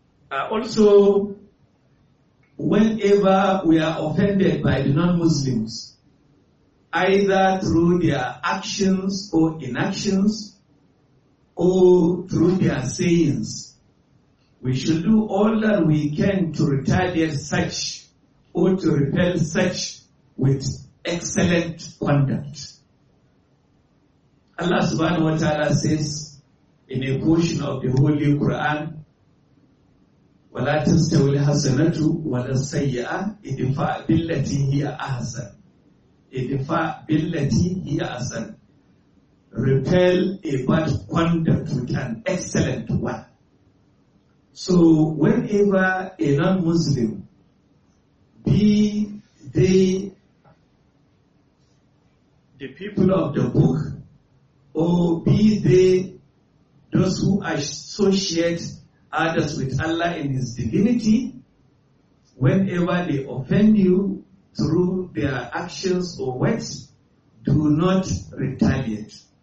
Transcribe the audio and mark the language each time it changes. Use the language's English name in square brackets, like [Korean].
[English] Also, whenever we are offended by the non-Muslims, either through their actions or inactions, or through their sayings, we should do all that we can to retaliate such or to repel such with excellent conduct. Allah subhanahu wa ta'ala says in a portion of the Holy Quran, [Arabic] وَلَا تَسْتَوِي الْحَسَنَةُ وَلَا السَّيِّئَةُ اِدْفَعْ بِالَّتِي هِيَ أَحْسَنُ اِدْفَعْ بِالَّتِي هِيَ أَحْسَنُ. [English] Repel a bad conduct with an excellent one. So whenever a non-Muslim, be they the people of the book, or be they those who associate others with Allah in His divinity, whenever they offend you through their actions or words, do not retaliate.